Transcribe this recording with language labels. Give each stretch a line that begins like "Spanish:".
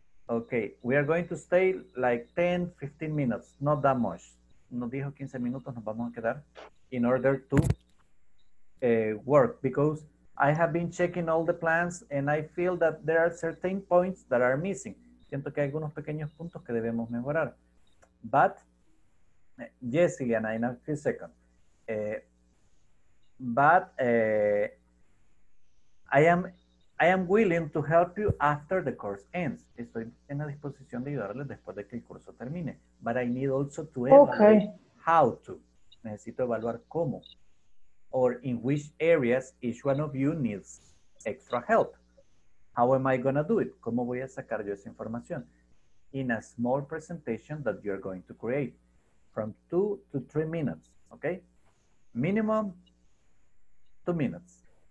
English: Okay, we are going to stay like 10, 15 minutes. Not that much.
Spanish: Nos dijo 15 minutos, nos vamos a quedar.
English: In order to work, because I have been checking all the plans and I feel that there are certain points that are missing.
Spanish: Siento que hay algunos pequeños puntos que debemos mejorar.
English: But, yes, Ileana, in a few seconds. But I am willing to help you after the course ends.
Spanish: Estoy en la disposición de ayudarles después de que el curso termine.
English: But I need also to evaluate okay. how to.
Spanish: Necesito evaluar cómo.
English: Or in which areas each one of you needs extra help. How am I going to do it?
Spanish: ¿Cómo voy a sacar yo esa información?
English: In a small presentation that you're going to create. From 2 to 3 minutes. Okay? Minimum 2 minutes.